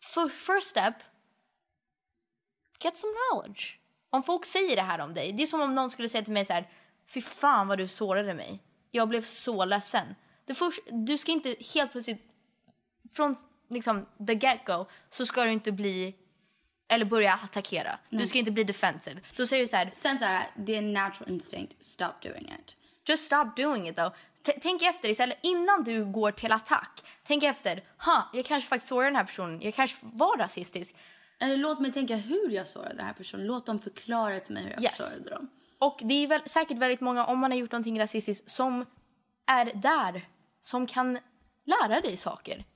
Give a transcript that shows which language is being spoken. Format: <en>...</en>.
<en>First step, get some knowledge.</en> <sv>Om folk säger det här om dig, det är som om någon skulle säga till mig så här, fy fan vad du sårade mig. Jag blev så ledsen. Du ska inte helt plötsligt, från liksom</sv> <en>the get-go,</en> <sv>så ska du inte bli, eller börja attackera. Mm. Du ska inte bli defensive. Då säger du så här, sen så här,</sv> <en>the natural instinct, stop doing it. Just stop doing it though.</en> <sv>Tänk efter istället innan du går till attack. Tänk efter, jag kanske faktiskt sårade den här personen. Jag kanske var rasistisk. Eller låt mig tänka hur jag sårade den här personen. Låt dem förklara till mig hur jag sårade dem. Och det är väl säkert väldigt många, om man har gjort någonting rasistiskt, som är där, som kan lära dig saker.</sv>